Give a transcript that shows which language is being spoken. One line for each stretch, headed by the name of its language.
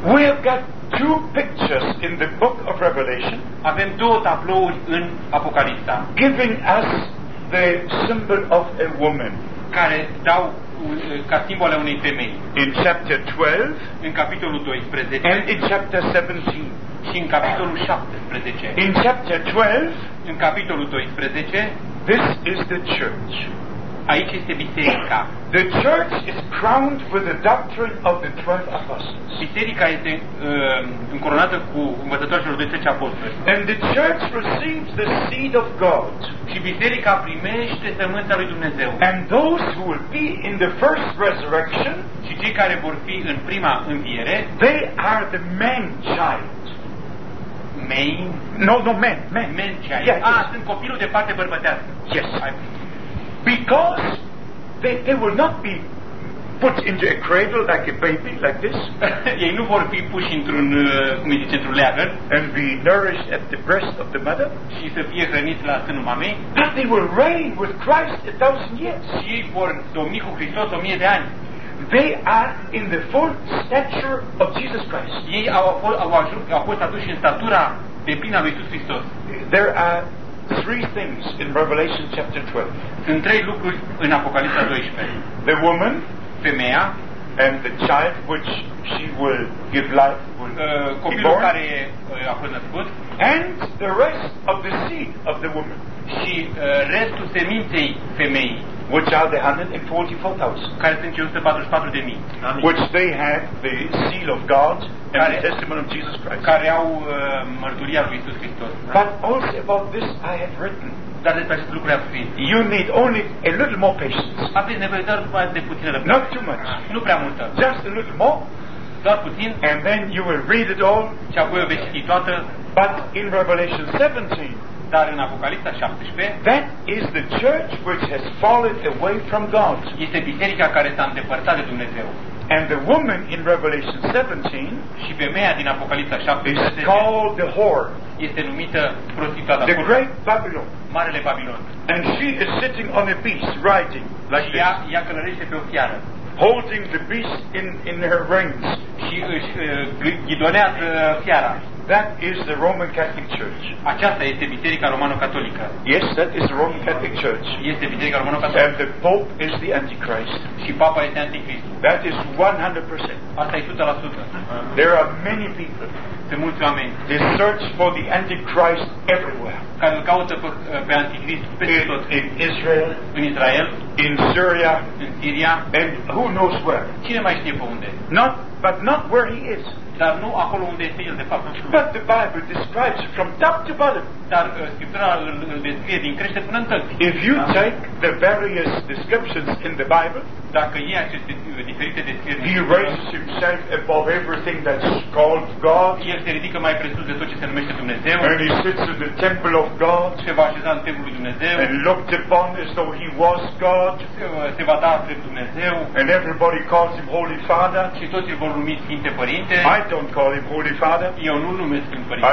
English: We have got two pictures in the book of Revelation.
Romanian: Avem două tablouri în Apocalipsa.
English: Giving us the symbol of a woman.
Romanian: Care dau ca simbol unei femei.
English: In chapter 12.
Romanian: În capitolul 12.
English: And in chapter 17.
Romanian: Și în capitolul 17.
English: In chapter 12.
Romanian: În capitolul 12.
English: This is the church.
Romanian: Aici este biserica.
English: The church is crowned with the doctrine of the 12 apostles.
Romanian: Biserica este încoronată cu învățătura celor 12 apostoli.
English: And the church receives the seed of God.
Romanian: Și biserica primește sămânța lui Dumnezeu.
English: And those who will be in the first resurrection,
Romanian: și cei care vor fi în prima înviere,
English: they are the man child. Main? No, men. Men child. Yes, ah, yes.
Romanian: Sunt copilul de parte bărbătească.
English: Yes. Because they will not be put into a cradle like a baby, like this.
Romanian: Ei nu vor fi puși într-un, cum zice, într-un leagăn.
English: And be nourished at the breast of the mother.
Romanian: Și să fie hrăniți la sânul mamei.
English: But they will reign with Christ 1,000 years.
Romanian: Și ei vor domni cu Hristos 1,000 de ani.
English: They are in the full stature of Jesus Christ.
Romanian: Ei au fost aduși în statura de plină a lui Iisus Hristos.
English: There are three things in Revelation chapter 12.
Romanian: Sunt trei lucruri în Apocalipsa 12.
English: The woman,
Romanian: femeia,
English: and the child which she will give life, will
Romanian: copilul
English: be born,
Romanian: care a fost născut,
English: and the rest of the seed of the woman.
Romanian: Și restul seminței femeii,
English: which are the 144,000,
Romanian: care sunt 144,000,
English: which they have the seal of God and the testimony of Jesus Christ,
Romanian: care au mărturia lui Iisus Hristos.
English: But also about this I have written.
Romanian: Dar despre acest lucru am scris.
English: You need only a little more patience.
Romanian: Aveți nevoie doar de puțin răbdare.
English: Not too much.
Romanian: Nu prea multă.
English: Just a little more.
Romanian: Doar puțin.
English: And then you will read it all.
Romanian: Și apoi o veți citi toată.
English: But in Revelation 17.
Romanian: Dar în Apocalipsa 17,
English: that is the church which has fallen away from God.
Romanian: Este biserica care s-a îndepărtat de Dumnezeu.
English: And the woman in Revelation 17,
Romanian: și femeia din Apocalipsa 17,
English: is called the whore.
Romanian: Este numită prostituata.
English: The great Babylon.
Romanian: Marele Babilon.
English: And she is sitting on a beast, riding like
Romanian: this. Ea călărește pe o fiară.
English: Holding the beast in her reins.
Romanian: Și își ghidonează fiara.
English: That is the Roman Catholic Church.
Romanian: Aceasta este biserica romano-catolică.
English: Yes, that is the Roman Catholic Church.
Romanian: Este biserica romano-catolică.
English: And the Pope is the Antichrist.
Romanian: Și papa este anticrist.
English: That is 100%.
Romanian: Asta e 100%.
English: There are many people.
Romanian: Sunt mulți oameni.
English: They search for the Antichrist everywhere.
Romanian: Care îl caută pe anticrist peste tot.
English: In Israel.
Romanian: În Israel.
English: In Syria.
Romanian: În Siria.
English: And who knows where?
Romanian: Cine mai știe pe unde?
English: Not where he is.
Romanian: Dar nu acolo unde este el, de fapt.
English: But the Bible describes from top to bottom.
Romanian: Dar Scriptura îl descrie din crește până în tălpi.
English: If you take the various descriptions in the Bible,
Romanian: dacă iei aceste diferite descrieri,
English: he raises himself above everything that's called God.
Romanian: El se ridică mai presus de tot ce se numește Dumnezeu.
English: And he sits in the temple of God.
Romanian: Se va așeza în templul lui Dumnezeu.
English: And looked upon as though he was God.
Romanian: Se va da drept Dumnezeu.
English: And everybody calls him Holy Father.
Romanian: Și toți îl vor numi Sfinte Părinte.
English: I don't call him Holy Father.
Romanian: Eu nu numesc Sfinte Părinte.